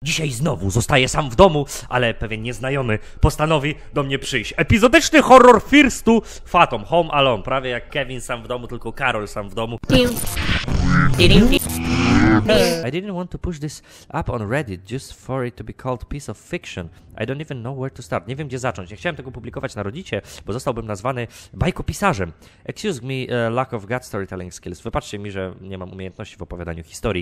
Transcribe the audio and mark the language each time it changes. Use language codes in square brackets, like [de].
[pl] Dzisiaj znowu zostaję sam w domu, ale pewien nieznajomy postanowi do mnie przyjść. Epizodyczny horror Firstu Phantom Home Alone. Prawie jak Kevin sam w domu, tylko Karol sam w domu. [en] I didn't want to push this up on Reddit just for it to be called piece of fiction. I don't even know where to start. [pl] Nie wiem, gdzie zacząć. Nie chciałem tego publikować na Reddicie, bo zostałbym nazwany bajkopisarzem. [en] Excuse me, lack of gut storytelling skills. [pl] Wybaczcie mi, że nie mam umiejętności w opowiadaniu historii.